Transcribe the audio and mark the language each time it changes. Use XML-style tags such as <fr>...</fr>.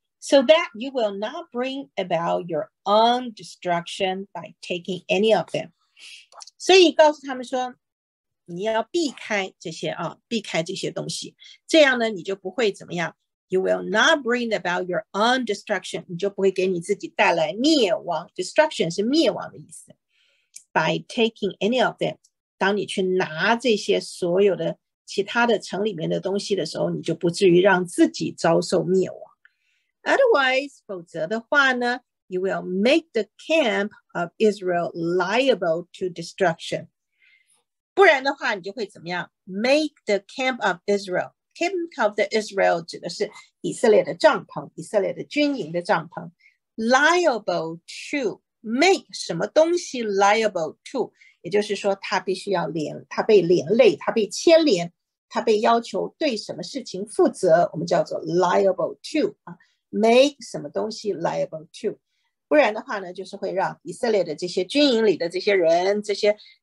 <en>So that you will not bring about your own destruction by taking any of them。</en> <zh>所以告诉他们说，你要避开这些啊，避开这些东西，这样呢，你就不会怎么样。</zh> <en>You will not bring about your own destruction，</en> <zh>你就不会给你自己带来灭亡。 Destruction 是灭亡的意思。</zh> <en>By taking any of them，</en> <zh>当你去拿这些所有的其他的城里面的东西的时候，你就不至于让自己遭受灭亡。</zh> <en>Otherwise,</en> <zh>否则的话呢,</zh> <en>you will make the camp of Israel liable to destruction.</en> <zh>不然的话你就会怎么样?</zh> <en>Make the camp of Israel. Camp of the Israel</en> <zh>指的是以色列的帐篷,以色列的军营的帐篷。 Liable to, make 什么东西 liable to, 也就是说它必须要连,它被连累,它被牵连,它被要求对什么事情负责,我们叫做 liable to,make 什么东西 liable to, 不然的话呢就是会让以色列的这些军营里的这些人这些</zh>